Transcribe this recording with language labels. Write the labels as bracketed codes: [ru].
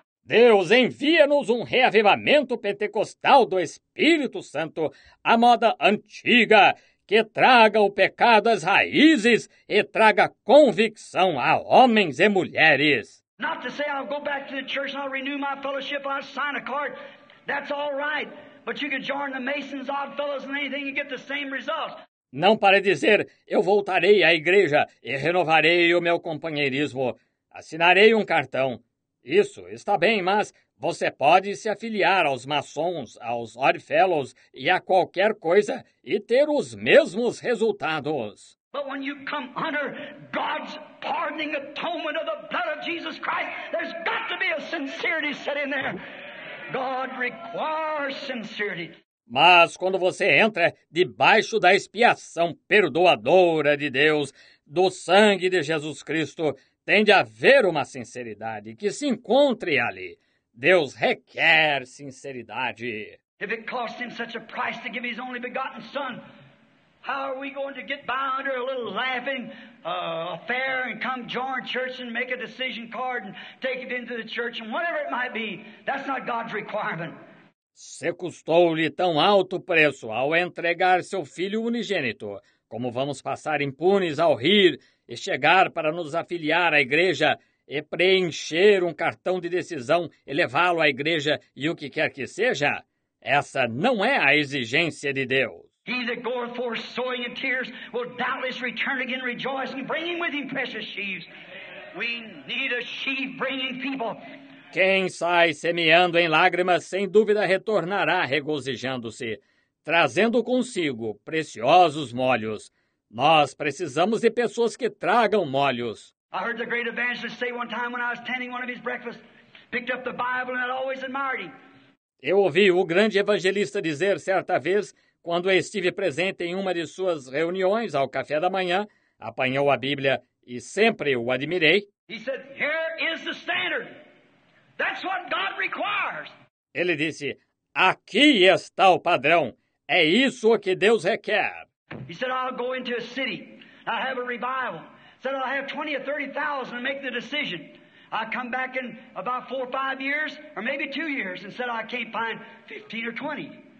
[pt] Deus envia-nos um reavivamento pentecostal do Espírito Santo à moda antiga, que traga o pecado às raízes e traga convicção a homens e mulheres. [en] Not to say I'll go back to the church and I'll renew my fellowship, I'll sign a card. That's all right. But you can join the Masons, Odd Fellows and anything and get the same results. [pt] Não para dizer, eu voltarei à igreja e renovarei o meu companheirismo. Assinarei um cartão. Isso está bem, mas você pode se afiliar aos maçons, aos Odd Fellows e a qualquer coisa e ter os mesmos resultados. [en] But when you come under God's pardoning atonement of the blood of Jesus Christ, there's got to be a sincerity set in there. God requires sincerity. [pt] Mas quando você entra debaixo da expiação perdoadora de Deus, do sangue de Jesus Cristo, tem de haver uma sinceridade que se encontre ali. Deus requer sinceridade. [en] If it cost him such a price to give his only begotten son, how are we going to get by under a little laughing affair and come join church and make a decision card and take it into the church and whatever it might be? That's not God's requirement. [pt] Se custou-lhe tão alto preço ao entregar seu filho unigênito, como vamos passar impunes ao rir e chegar para nos afiliar à igreja e preencher um cartão de decisão e levá-lo à igreja e o que quer que seja? Essa não é a exigência de Deus. [en] He that goeth forth sowing in tears will doubtless return again rejoicing, bringing with him precious sheaves. We need a sheaf bringing people. [pt] Quem sai semeando em lágrimas, sem dúvida retornará regozijando-se, trazendo consigo preciosos molhos. Nós precisamos de pessoas que tragam molhos. [en] I heard the great evangelist say one time when I was tending one of his breakfasts, picked up the Bible and I always admired him. [pt] Eu ouvi o grande evangelista dizer certa vez, quando estive presente em uma de suas reuniões ao café da manhã, apanhou a Bíblia e sempre o admirei. [en] He said, "Here is the standard. That's what God requires." [pt] Ele disse, "Aqui está o padrão. É isso que Deus requer." [en] He said, "I'll go into a city. I'll have a revival. Said I'll have 20 or 30,000 to make the decision. I come back in about 4 or 5 years, or maybe 2 years, and said I can't find 15 or 20.